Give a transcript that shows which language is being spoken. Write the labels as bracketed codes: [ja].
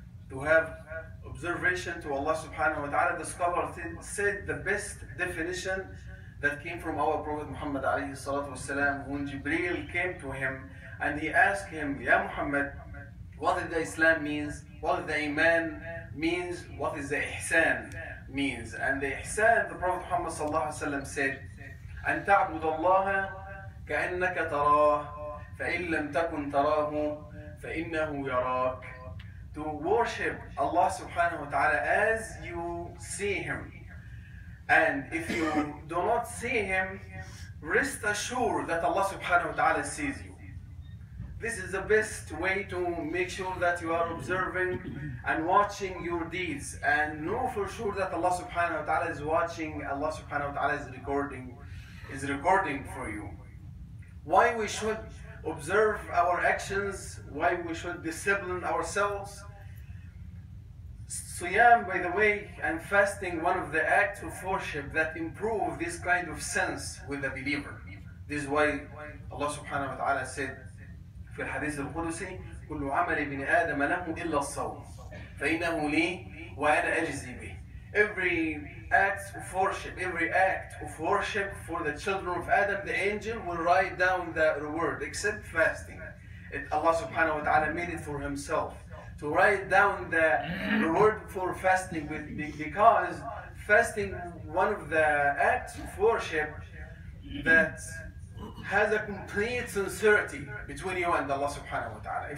[en] To have observation to Allah subhanahu wa ta'ala. The scholar said the best definition that came from our Prophet Muhammad alayhi salatu wasalam, when Jibreel came to him and he asked him, Ya Muhammad, what did the Islam means? What did the Iman means? What is the Ihsan means? And the Ihsan, the Prophet Muhammad sallallahu alayhi wasalam said, [ar] أن تعبد الله كأنك تراه فإن لم تكن تراه فإنه يراك. [en] To worship Allah subhanahu wa ta'ala as you see him. And if you do not see him, rest assured that Allah subhanahu wa ta'ala sees you. This is the best way to make sure that you are observing and watching your deeds. And know for sure that Allah subhanahu wa ta'ala is watching, Allah subhanahu wa ta'ala is recording for you. Why we should observe our actions, why we should discipline ourselves. Siyam, by the way, and fasting, one of the acts of worship that improve this kind of sense with the believer. This is why Allah subhanahu wa ta'ala said, [ar] في الحديث القدسي, كل عمل ابن آدم له إلا الصوم, فإنه لي وأنا أجزي به. [en] Every act of worship for the children of Adam, the angel will write down the reward, except fasting. Allah subhanahu wa ta'ala made it for himself to write down the reward for fasting, because fasting, one of the acts of worship that has a complete sincerity between you and Allah subhanahu wa ta'ala.